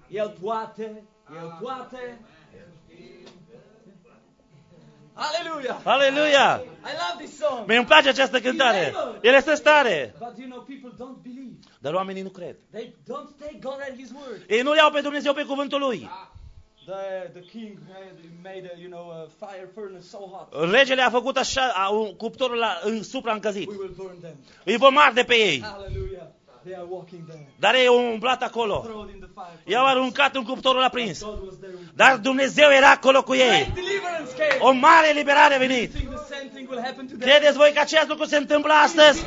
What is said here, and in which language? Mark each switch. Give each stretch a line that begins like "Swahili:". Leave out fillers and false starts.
Romanian: El poate. Aleluia. Aleluia.
English: I love this song.
Romanian: Mi-mi place această cântare. El este în stare.
English: But you know, people don't believe.
Romanian: Dar oamenii nu cred.
English: They don't take God at his word.
Romanian: Ei nu iau pe Dumnezeu pe cuvântul lui.
English: The king made a, you know, a fire furnace so hot.
Romanian: Regele a făcut așa, cuptorul la supra încăzit.
English: We will burn them.
Romanian: Îi vom arde pe ei.
English: Hallelujah. They are walking there.
Romanian: Dar ei au umblat acolo. I-au aruncat în cuptorul aprins. Dar Dumnezeu era acolo cu ei. O mare eliberare a venit. Credeți voi că acest lucru se întâmplă astăzi?